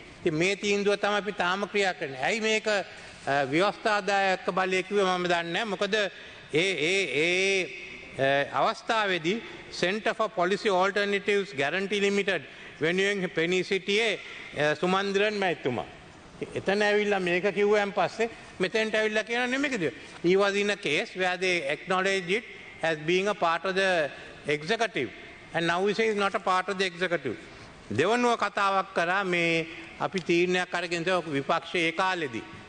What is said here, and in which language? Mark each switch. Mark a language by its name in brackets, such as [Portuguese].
[Sinhala] ඉතින් මේ තීන්දුව තමයි අපි තාම ක්‍රියා කරන්නේ. ඇයි මේක ව්‍යවස්ථාදායක බලය කිව්වේ මම දන්නේ නැහැ. මොකද ඒ අවස්ථාවේදී Center for Policy Alternatives Guarantee Limited වෙනුවෙන් පෙනී සිටියේ සුමන්දිරන් මහත්තුමා. එතන ඇවිල්ලා මේක කිව්වයන් පස්සේ මෙතෙන්ට ඇවිල්ලා කියන නෙමෙයිද? [English] He was in a case where they acknowledged it as being a part of the executive and now he says not a part of the executive. [Sinhala] දෙවනුව කතාවක් කරා මේ අපි තීරණයක් අරගෙන තව විපක්ෂයේ ඒ කාලෙදී.